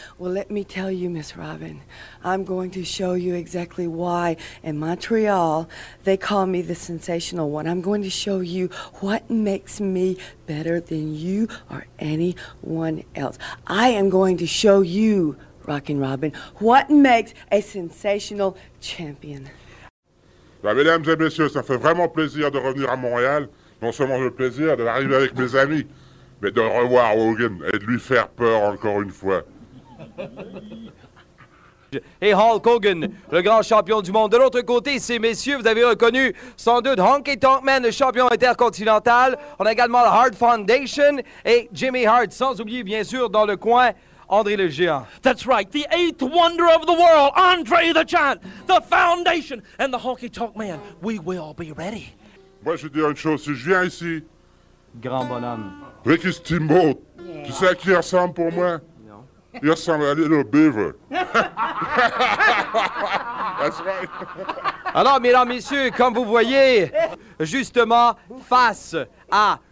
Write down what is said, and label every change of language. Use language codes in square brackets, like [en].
[en] Well, let me tell you, Miss Robin, I'm going to show you exactly why in Montreal they call me the sensational one. I'm going to show you what makes me better than you or anyone else. I am going to show you, Rockin' Robin, what makes a sensational champion. [fr] Bah, mesdames et messieurs, ça fait vraiment plaisir de revenir à Montréal. Non seulement le plaisir d'arriver avec mes amis, mais de revoir Hogan et de lui faire peur encore une fois. Et Hulk Hogan, le grand champion du monde. De l'autre côté, ces messieurs, vous avez reconnu sans doute Honky Tonk Man, le champion intercontinental. On a également le Hart Foundation et Jimmy Hart, sans oublier bien sûr dans le coin... André le Géant. [en] That's right, the eighth wonder of the world, André the Giant, the Foundation, and the Honky Tonk Man. We will be ready. [fr] Moi, je veux dire une chose, si je viens ici... Grand bonhomme. [en] Ricky Steamboat. Yeah. [fr] Tu sais à qui il ressemble pour moi? Non. Il ressemble à Little Beaver. [en] That's right. [fr] Alors, mesdames, messieurs, comme vous voyez, justement, face à...